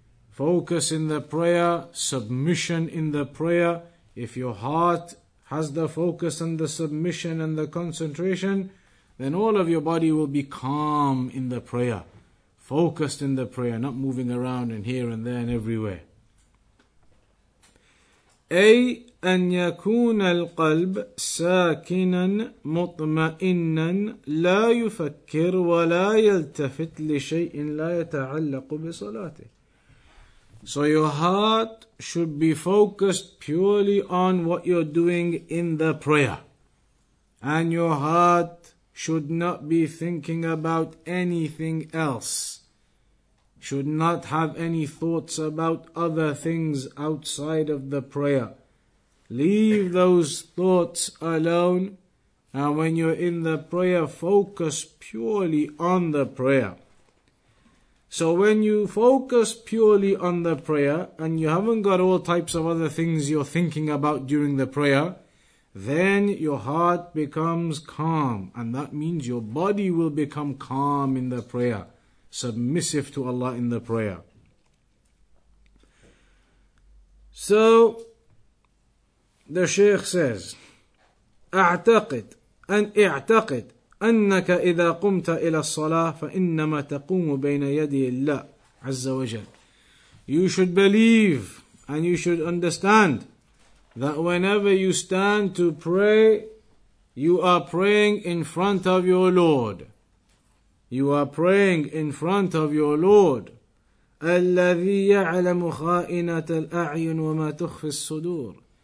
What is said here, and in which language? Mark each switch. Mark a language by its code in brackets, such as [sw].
[en] Focus in the prayer, submission in the prayer. If your heart has the focus and the submission and the concentration, then all of your body will be calm in the prayer, focused in the prayer, not moving around and here and there and everywhere. [ar] أي أن يكون القلب ساكنا مطمئنا لا يفكر ولا يلتفت لشيء لا يتعلق بصلاته. [en] So your heart should be focused purely on what you're doing in the prayer, and your heart should not be thinking about anything else. Should not have any thoughts about other things outside of the prayer. Leave those thoughts alone. And when you're in the prayer, focus purely on the prayer. So when you focus purely on the prayer, and you haven't got all types of other things you're thinking about during the prayer, then your heart becomes calm, and that means your body will become calm in the prayer, submissive to Allah in the prayer. So, the Shaykh says, [ar] اعتقد أنك إذا قمت إلى الصلاة فإنما تقوم بين يدي الله عز وجل. [en] You should believe and you should understand that whenever you stand to pray, you are praying in front of your Lord. You are praying in front of your Lord. [ar] الَّذِي يَعْلَمُ خَائِنَةَ الْأَعْيُنُ وَمَا تُخْفِي الصُّدُورِ.